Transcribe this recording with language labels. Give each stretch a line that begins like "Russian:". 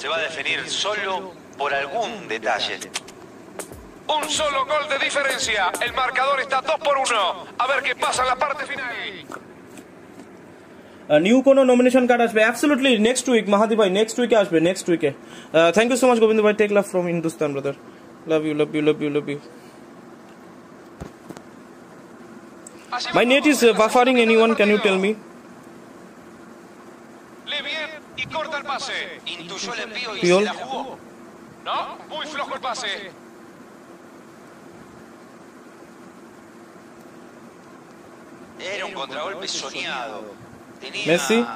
Spanish: Se va a definir solo por algún detalle. Un solo gol de diferencia. El marcador está 2-1. A ver qué pasa en la parte final.
English: New
Bangla: kono
English: nomination card
Bangla: asbe,
English: absolutely next week Mahadi bhai, next week asbe, next week thank you so much Govind bhai, take love from Hindustan brother, love you, love you, love you, love you. My net is buffering, anyone can you tell me?
Spanish: Le bien y corta el pase, intuyó el envío y se la jugó. No, muy flojo el pase. Era un contragolpe soñado. Tenía Messi